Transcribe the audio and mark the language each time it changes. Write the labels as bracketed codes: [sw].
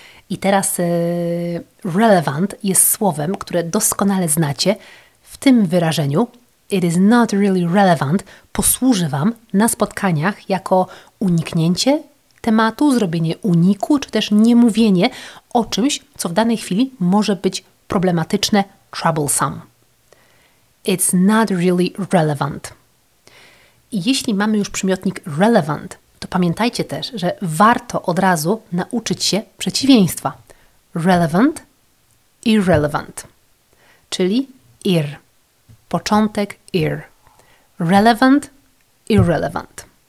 [pl] I teraz relevant jest słowem, które doskonale znacie w tym wyrażeniu. [en] It is not really relevant [pl] posłuży Wam na spotkaniach jako uniknięcie tematu, zrobienie uniku, czy też niemówienie o czymś, co w danej chwili może być problematyczne, troublesome. [en] It's not really relevant. [pl] I jeśli mamy już przymiotnik relevant, to pamiętajcie też, że warto od razu nauczyć się przeciwieństwa. Relevant, irrelevant, czyli ir. Początek ir. Relevant, irrelevant.